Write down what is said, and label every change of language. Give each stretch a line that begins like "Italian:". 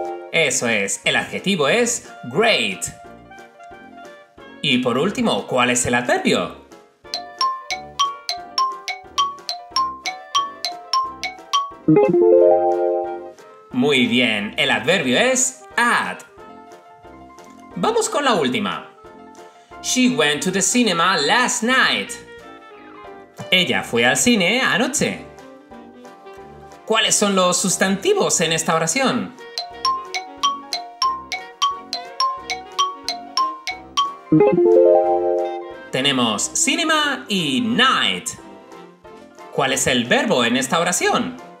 Spanish: Eso es, el adjetivo es great. Y por último, ¿cuál es el adverbio? Muy bien, el adverbio es at. Vamos con la última.
English: She went to the cinema last night.
Spanish: Ella fue al cine anoche. ¿Cuáles son los sustantivos en esta oración? Tenemos cinema y night. ¿Cuál es el verbo en esta oración?